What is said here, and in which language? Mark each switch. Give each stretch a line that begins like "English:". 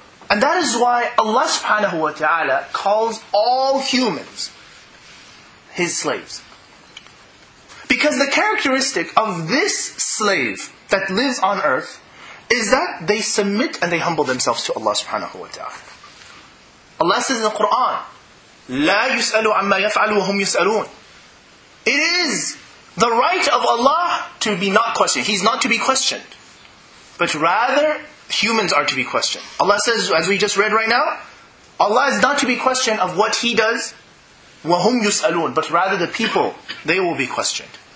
English: And that is why Allah subhanahu wa ta'ala calls all humans His slaves. Because the characteristic of this slave that lives on earth is that they submit and they humble themselves to Allah subhanahu wa ta'ala. Allah says in the Quran,
Arabic: لا يسألوا عما يفعل وهم يسألون.
English: It is the right of Allah to be not questioned. He's not to be questioned. But rather, humans are to be questioned. Allah says, as we just read right now, Allah is not to be questioned of what He does,
Arabic: وَهُمْ يُسْأَلُونَ,
English: but rather the people, they will be questioned.